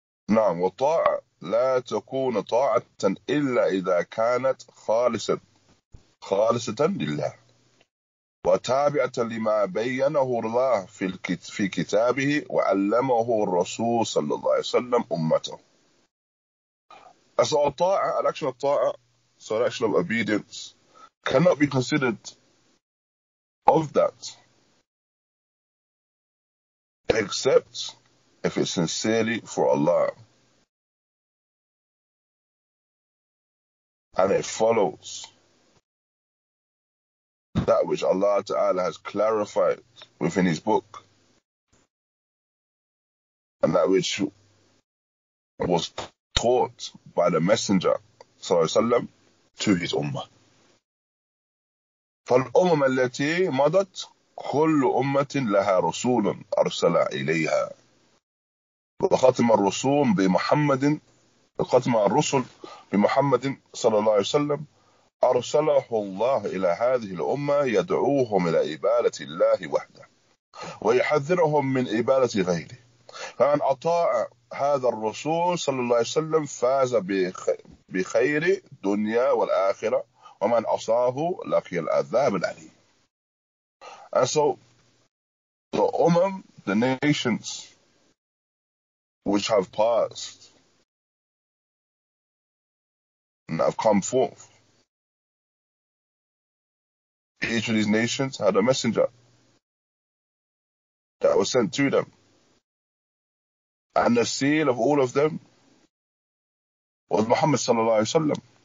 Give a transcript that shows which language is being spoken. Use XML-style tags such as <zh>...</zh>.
<ar>نعم وطاعة لا تكون طاعة إلا إذا كانت خالصة خالصة لله وتابعة لما بينه الله في كتابه وعلمه الرسول صلى الله عليه وسلم أمته.</ar> <en>So الطاعة, action of طاعة, so the action of obedience cannot be considered of that except if it's sincerely for Allah. And it follows that which Allah Ta'ala has clarified within His book, and that which was taught by the Messenger, Sallallahu Alaihi Wasallam, to His Ummah.</en> <ar>فالأمم التي مضت كل أمة لها رسول أرسل إليها وختم الرسول بمحمد وختم الرسل بمحمد صلى الله عليه وسلم أرسله الله إلى هذه الأمة يدعوهم إلى عبادة الله وحده ويحذرهم من عبادة غيره. فمن أطاع هذا الرسول صلى الله عليه وسلم فاز بخير الدنيا والآخرة ومن أصاه لقي العذاب الأليم.</ar> <en>And so the Umam, the nations which have passed and have come forth, each of these nations had a messenger that was sent to them, and the seal of all of them was Muhammad sallallahu alaihi wasallam.</en>